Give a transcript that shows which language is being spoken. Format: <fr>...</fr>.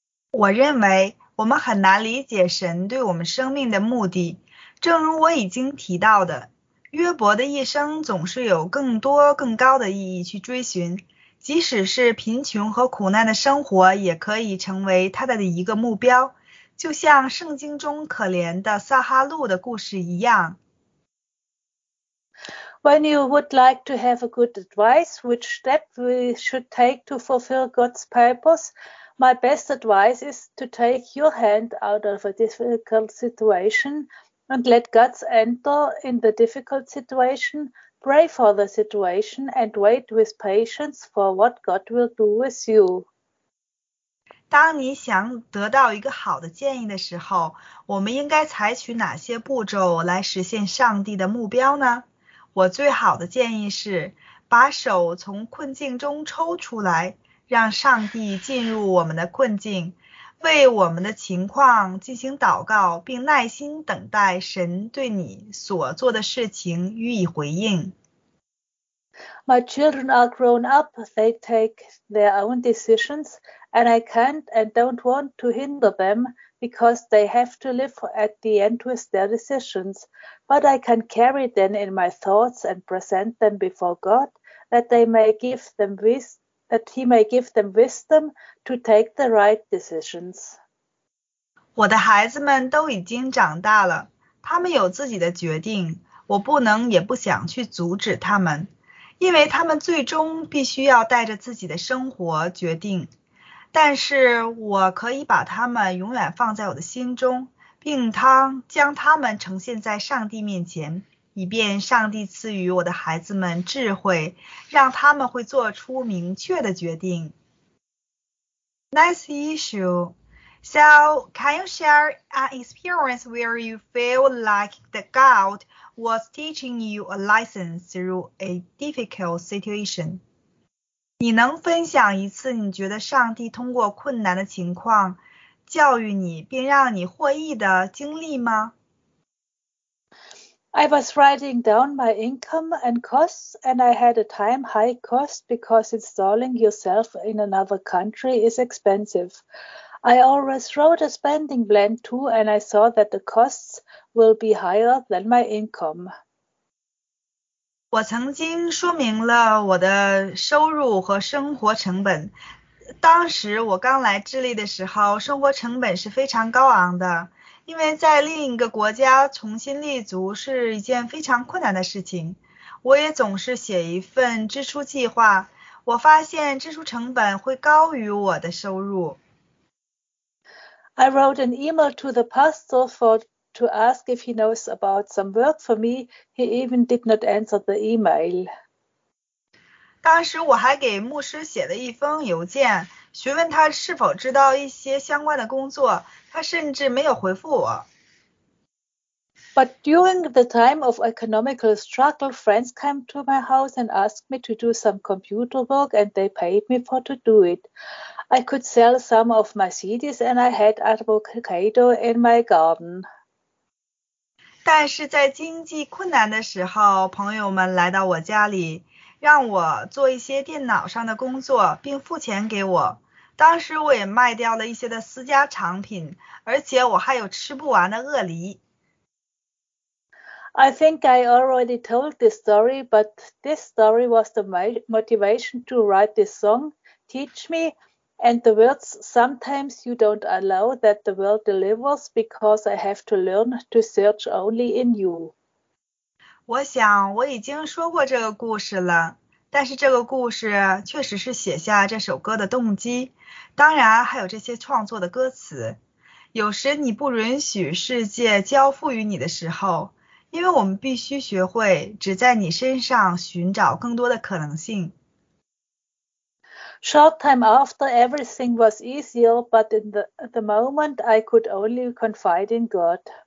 <zh>我认为我们很难理解神对我们生命的目的。正如我已经提到的，约伯的一生总是有更多更高的意义去追寻，即使是贫穷和苦难的生活也可以成为他的一个目标，就像圣经中可怜的撒哈路的故事一样。</zh> <en>When you would like to have a good advice which step we should take to fulfill God's purpose, my best advice is to take your hand out of a difficult situation and let God enter in the difficult situation, pray for the situation and wait with patience for what God will do with you.</en> <zh>当你想得到一个好的建议的时候，我们应该采取哪些步骤来实现上帝的目标呢？我最好的建议是把手从困境中抽出来，让上帝进入我们的困境，为我们的情况进行祷告，并耐心等待神对你所做的事情予以回应。</zh> <en>My children are grown up, they take their own decisions, and I can't and don't want to hinder them because they have to live at the end with their decisions. But I can carry them in my thoughts and present them before God that they may give them that he may give them wisdom to take the right decisions.</en> <zh>我的孩子们都已经长大了，他们有自己的决定，我不能也不想去阻止他们，因为他们最终必须要带着自己的生活决定，但是我可以把他们永远放在我的心中，并将他们呈现在上帝面前，以便上帝赐予我的孩子们智慧，让他们会做出明确的决定。</zh> <en>Next issue. So, can you share an experience where you feel like the God was teaching you a lesson through a difficult situation?</en> <zh>你能分享一次你觉得上帝通过困难的情况教育你并让你获益的经历吗？</zh> <en>I was writing down my income and costs, and I had a time high cost because installing yourself in another country is expensive. I always wrote a spending plan too, and I saw that the costs will be higher than my income.</en> <zh>我曾经说明了我的收入和生活成本。当时我刚来智利的时候，生活成本是非常高昂的，因为在另一个国家重新立足是一件非常困难的事情。我也总是写一份支出计划，我发现支出成本会高于我的收入。</zh> <en>I wrote an email to the pastor to ask if he knows about some work for me. He even did not answer the email.</en> <zh>当时我还给牧师写了一封邮件，询问他是否知道一些相关的工作，他甚至没有回复我。</zh> <en>But during the time of economical struggle, friends came to my house and asked me to do some computer work, and they paid me for to do it. I could sell some of my CDs, and I had avocado in my garden.</en> <zh>但是在经济困难的时候，朋友们来到我家里，让我做一些电脑上的工作，并付钱给我。当时我也卖掉了一些的私家产品，而且我还有吃不完的鳄梨。</zh> <en>I think I already told this story, but this story was the motivation to write this song, Teach Me, and the words, Sometimes you don't allow that the world delivers because I have to learn to search only in you.</en> <zh>我想我已经说过这个故事了，但是这个故事确实是写下这首歌的动机，当然还有这些创作的歌词。有时你不允许世界交付于你的时候，因为我们必须学会只在你身上寻找更多的可能性。</zh> <en>Short time after, everything was easier, but in the moment, I could only confide in God.</en>